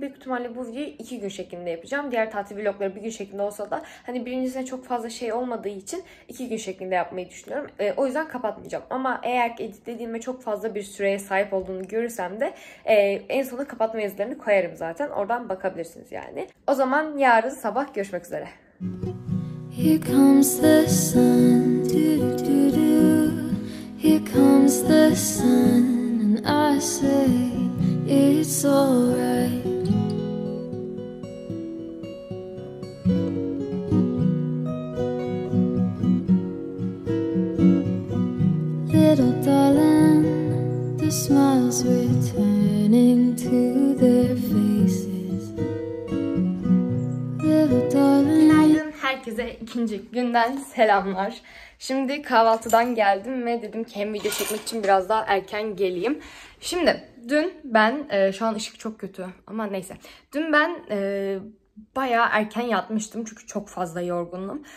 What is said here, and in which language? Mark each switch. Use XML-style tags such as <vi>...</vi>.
<tr>Büyük ihtimalle bu videoyu 2 gün şeklinde yapacağım. Diğer tatil vlogları 1 gün şeklinde olsa da hani birincisine çok fazla şey olmadığı için 2 gün şeklinde yapmayı düşünüyorum. O yüzden kapatmayacağım. Ama eğer editlediğimde çok fazla bir süreye sahip olduğunu görürsem de en sona kapatma yazılarını koyarım zaten. Oradan bakabilirsiniz yani. O zaman yarın sabah görüşmek üzere.</tr> <en>Here comes the sun, do do do. Here comes the sun and I say it's alright. Little darling, the smiles returning to their faces.</en> <tr>Günaydın herkese, ikinci günden selamlar. Şimdi kahvaltıdan geldim ve dedim ki hem video çekmek için biraz daha erken geleyim. Şimdi dün ben, şu an ışık çok kötü ama neyse. Dün ben bayağı erken yatmıştım çünkü çok fazla yorgundum.</tr>